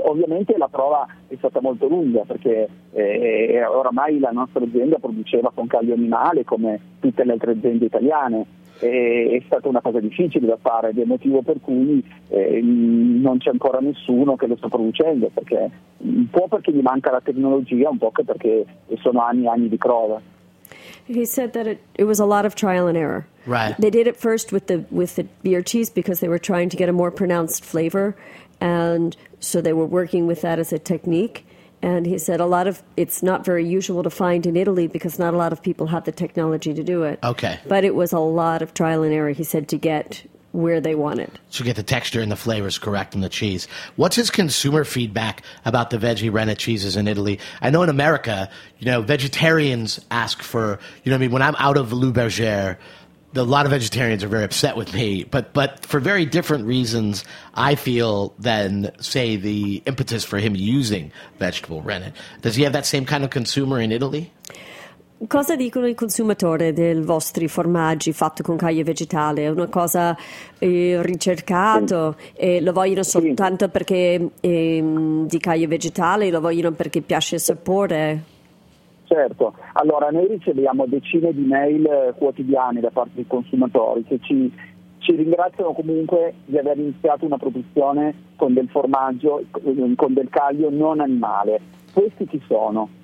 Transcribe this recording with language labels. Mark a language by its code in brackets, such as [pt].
[it] Ovviamente la prova è stata molto lunga perché oramai la nostra azienda produceva con caglio animale come tutte le altre aziende italiane. È stata una cosa difficile da fare ed è motivo per cui non c'è ancora nessuno che lo sta producendo, perché un po' perché gli manca la tecnologia, un po' perché sono anni e anni di prova. [en] He said that it was a lot of trial and error. Right. They did it first with the beer cheese because they were trying to get a more pronounced flavor, and so they were working with that as a technique. And he said it's not very usual to find in Italy because not a lot of people have the technology to do it. Okay. But it was a lot of trial and error, he said, to get where they want it. So get the texture and the flavors correct in the cheese. What's his consumer feedback about the veggie rennet cheeses in Italy? I know in America, you know, vegetarians ask for, you know, I mean, when I'm out of Le Berger, a lot of vegetarians are very upset with me, but for very different reasons, I feel, than, say, the impetus for him using vegetable rennet. Does he have that same kind of consumer in Italy? [it] Cosa dicono i consumatori dei vostri formaggi fatti con caglia vegetale? È una cosa ricercata? Lo vogliono soltanto perché di caglia vegetale? Lo vogliono perché piace il sapore? Certo. Allora, noi riceviamo decine di mail quotidiane da parte dei consumatori che ci ringraziano comunque di aver iniziato una produzione con del formaggio, con del caglio non animale. Questi chi sono?